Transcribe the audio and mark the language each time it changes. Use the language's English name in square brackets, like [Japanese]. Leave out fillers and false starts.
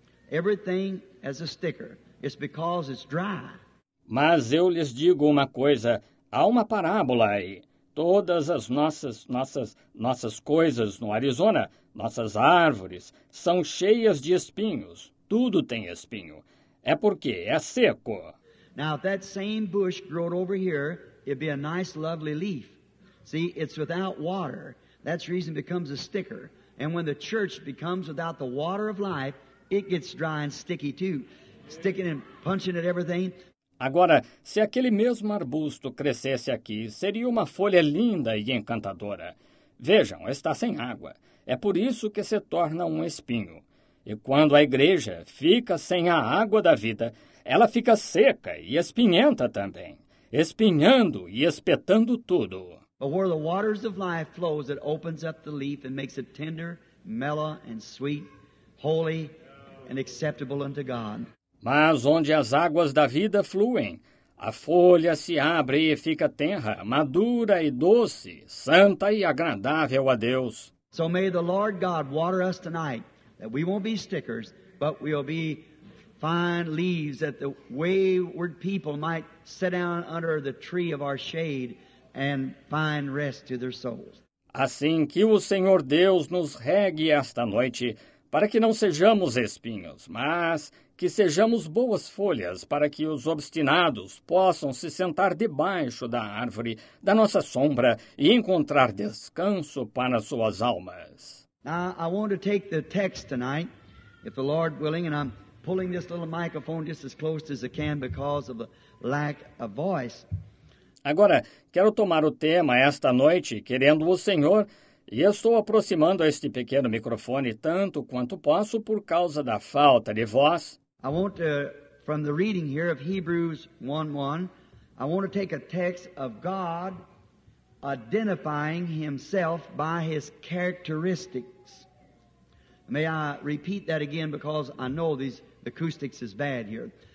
[English] Everything has a sticker. It's because it's dry. [Portuguese] Mas eu lhes digo uma coisa. Há uma parábola aí. Todas as nossas coisas no Arizona, nossas árvores, são cheias de espinhos. Tudo tem espinho. É porque é seco. [English] Now, if that same bush grew over here, it'd be a nice, lovely leaf. See, it's without water. That's reason becomes a sticker. And when the church becomes without the water of life, it gets dry and sticky too. Sticking and punching at everything. [Portuguese] Agora, se aquele mesmo arbusto crescesse aqui, seria uma folha linda e encantadora. Vejam, está sem água. É por isso que se torna um espinho. E quando a igreja fica sem a água da vida, ela fica seca e espinhenta também, espinhando e espetando tudo. [English] But where the waters of life flows, it opens up the leaf and makes it tender, mellow, and sweet, holy, and acceptable unto God. [Portuguese] Mas onde as águas da vida fluem, a folha se abre e fica tenra, madura e doce, santa e agradável a Deus. [English] So may the Lord God water us tonight, that we won't be stickers, but we'll be fine leaves, that the wayward people might sit down under the tree of our shade, and find rest to their souls. [Portuguese] Assim que o Senhor Deus nos regue esta noite, para que não sejamos espinhos, mas que sejamos boas folhas, para que os obstinados possam se sentar debaixo da árvore, da nossa sombra, e encontrar descanso para suas almas. [English] Now, I want to take the text tonight, if the Lord willing, and I'm pulling this little microphone just as close as I can because of the lack of voice. [Portuguese] Agora, quero tomar o tema esta noite, querendo o Senhor, e estou aproximando este pequeno microfone tanto quanto posso por causa da falta de voz. [English] I want to, from the reading here of Hebrews 1:1, I want to take a text of God identifying himself by his characteristics. May I repeat that again because I know the acoustics is bad here.